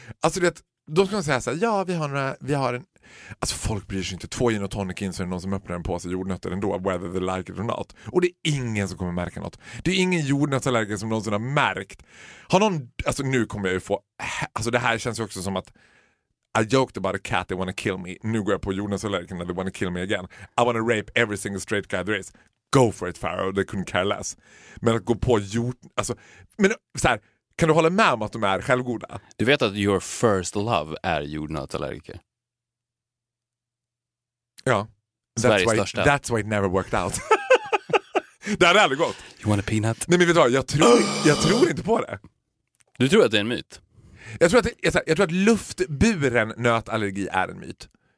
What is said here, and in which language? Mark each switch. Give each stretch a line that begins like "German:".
Swedish: Alltså du vet, de ska säga så här, ja vi har några, vi har en... Alltså folk bryr sig inte, två gin och tonic in så är det någon som öppnar en påse jordnötter ändå,
English: whether they like it or not.
Swedish: Och det är ingen som kommer märka något. Det är ingen jordnötsallergiker som någonsin har märkt. Har någon, alltså nu kommer jag ju få, alltså det här känns ju också som att
English: I joked about a cat, they wanna kill me.
Swedish: Nu går jag på jordnötsallergikerna,
English: they wanna kill me again. I wanna rape every single straight guy there is. Go for it, Pharaoh, they couldn't care less.
Swedish: Men att gå på jord, alltså, men så här, kan du hålla med om att de är självgoda? Du vet att
English: your first love
Swedish: är jordnötsallergiker.
English: Ja, that's why it never worked out.
Swedish: Det hade aldrig gått.
English: You want a peanut?
Swedish: Nej, men vet du vad, jag tror inte på det. Du tror att det är en myt? Jag tror att luftburen nötallergi är en myt.